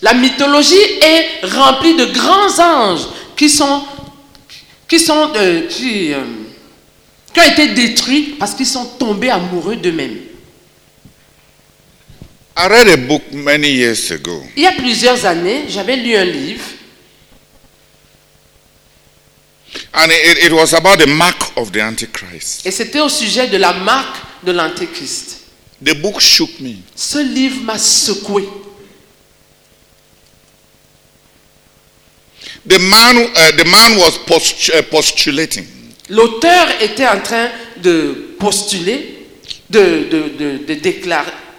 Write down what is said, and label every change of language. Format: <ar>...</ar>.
<fr>La mythologie est remplie de grands anges qui ont été détruits parce qu'ils sont tombés amoureux d'eux-mêmes.</fr> <en>I read a book many years ago.</en> <fr>Il y a plusieurs années, j'avais lu un livre.</fr> <en>And it was about the mark of the Antichrist.</en> <fr>Et c'était au sujet de la marque de l'Antéchrist.</fr> <en>The book shook me.</en> <fr>Ce livre m'a secoué.</fr> <en>The man was postulating.</en> <fr>L'auteur était en train de postuler, de déclarer.</fr>